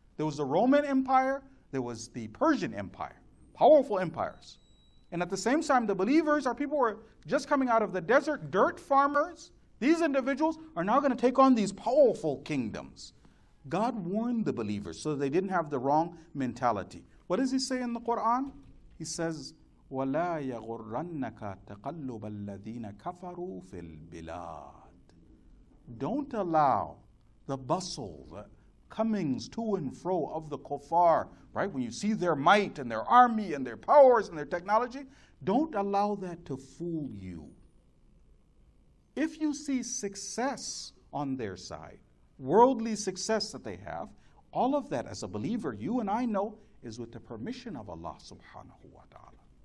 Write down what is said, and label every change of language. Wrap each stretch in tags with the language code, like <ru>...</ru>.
<en>There was the Roman Empire, there was the Persian Empire, powerful empires. And at the same time, the believers, our people were just coming out of the desert, dirt farmers. These individuals are now going to take on these powerful kingdoms. God warned the believers so they didn't have the wrong mentality. What does he say in the Quran? He says,</en> <ar>ولا يغرنك تقلب الذين كفروا في البلاد.</ar> <en>Don't allow the bustle, the comings to and fro of the kuffar, right? When you see their might and their army and their powers and their technology, don't allow that to fool you. If you see success on their side, worldly success that they have, all of that as a believer, you and I know, is with the permission of Allah subhanahu wa ta'ala.</en>